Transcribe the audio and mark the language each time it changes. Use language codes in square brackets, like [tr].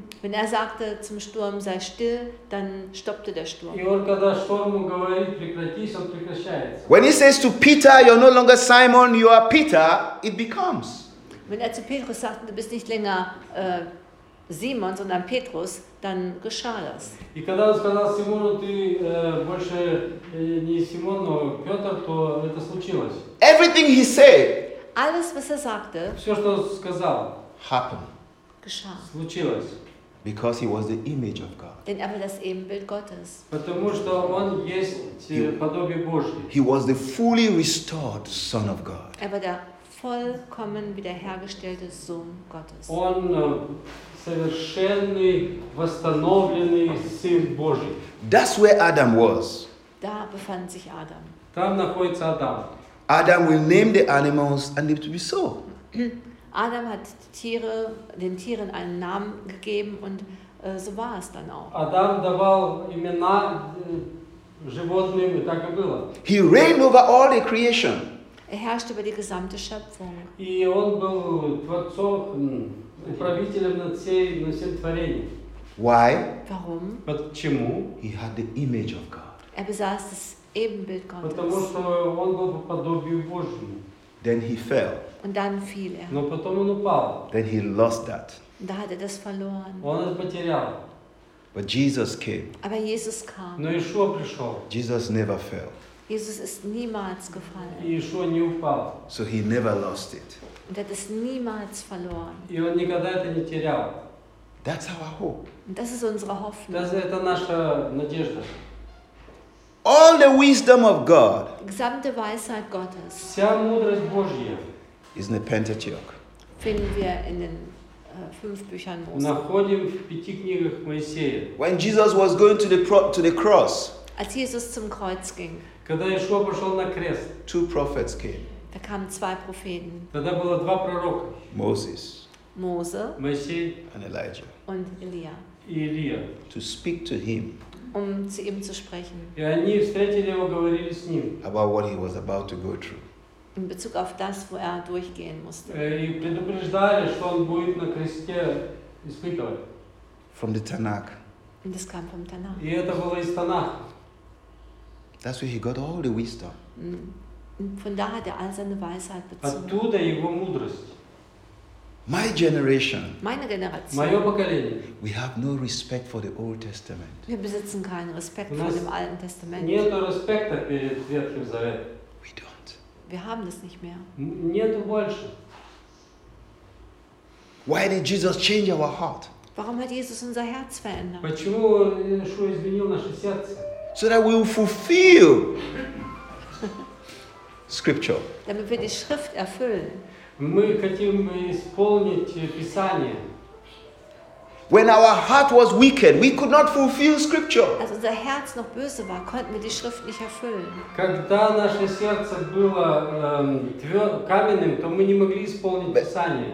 [de] Wenn er sagte zum Sturm, sei still, dann stoppte der Sturm. [ru] И он когда шторму говорит, прекратись, он прекращается. [en] When he says to Peter, "You're no longer Simon, you are Peter," it becomes. [de] Wenn er zu Petrus sagte, du bist nicht länger Simon, sondern Petrus, dann geschah das. [ru] И когда он сказал Симону, ты больше не Симон, но Петр, то это случилось. [en] Everything he said. [de] Alles, was er sagte. [ru] Все, что сказал. [en] Happened. [de] Geschah. [ru] Случилось. [en] Because he was the image of God. [de] Denn er war das Ebenbild Gottes. [ru] Потому что он есть подобие Божье. [en] He was the fully restored Son of God. [de] Er war der vollkommen wiederhergestellte Sohn Gottes. [ru] Он совершенный, восстановленный Сын Божий. [en] That's where Adam was. [de] Da befand sich Adam. [ru] Там находится Адам. [en] Adam will name the animals and it will be so. [de] Adam hat Tiere, den Tieren einen Namen gegeben und so war es dann auch. [ru] Adam давал имена животным, и так и было. [en] He reigned over all the creation. [de] Er herrscht über die gesamte Schöpfung. [ru] И он был творцом, управителем над всем творением. [en] Why? [de] Warum? [ru] Почему? [en] He had the image of God. [de] Er besaß das Ebenbild Gottes. [ru] Потому что он был по подобию Божьему. [en] Then he fell. [de] Und dann fiel er. [ru] Но потом он упал. [en] Then he lost that. [de] Da hat er das verloren. [ru] Он это потерял. [en] But Jesus came. [de] Aber Jesus kam. [ru] Но Иешуа пришел. [en] Jesus never fell. [de] Jesus ist niemals gefallen. [ru] Иешуа не упал. [en] So he never lost it. [de] Und er hat es niemals verloren. [ru] И он никогда это не терял. [en] That's our hope. [de] Und das ist unsere Hoffnung. Das [ru] это наша надежда. [en] All the wisdom of God. [de] Die gesamte Weisheit Gottes. [ru] Вся мудрость Божья. [en] Is in the Pentateuch. [de] Finden wir in den fünf Büchern Mose. [ru] Находим в пяти книгах Моисея. [en] When Jesus was going to the cross. [de] Als Jesus zum Kreuz ging. [ru] Когда Иешуа пошел на крест. [en] Two prophets came. [de] Da kamen zwei Propheten. [ru] Тогда было два пророка. [en] Moses. [de] Мозе. [ru] Моисей. [en] And Elijah. [de] Und Илия. [ru] И Илия. [en] To speak to him. [de] Um zu ihm zu sprechen. [ru] И они встретили его, говорили с ним. [en] About what he was about to go through. [de] in Bezug auf das, wo er durchgehen musste. [ru] И предупреждали, что он будет на кресте испытывать. [en] From the Tanakh. [de] Und das kam vom Tanakh. [ru] И это было из Танаха. [en] That's where he got all the wisdom. [de] Und von da hat er all seine Weisheit bezogen. [ru] Оттуда его мудрость. [en] My generation. [de] Meine Generation. [ru] Мое поколение. [en] We have no respect for the Old Testament. [de] Wir besitzen keinen Respekt vor dem Alten Testament. [ru] Нет респекта перед Ветхим Заветом. [de] Wir haben das nicht mehr. [ru] Нету больше. [en] Why did Jesus change our heart? [de] Warum hat Jesus unser Herz verändert? [ru] Почему Иешуа изменил наше сердце? [en] So that we will fulfill Scripture. [de] Damit wir die Schrift erfüllen. [ru] Мы хотим исполнить Писание. [en] When our heart was wicked, we could not fulfill Scripture. [de] Als unser Herz noch böse war, konnten wir die Schrift nicht erfüllen. [ru] Когда наше сердце было каменным, то мы не могли исполнить Писание.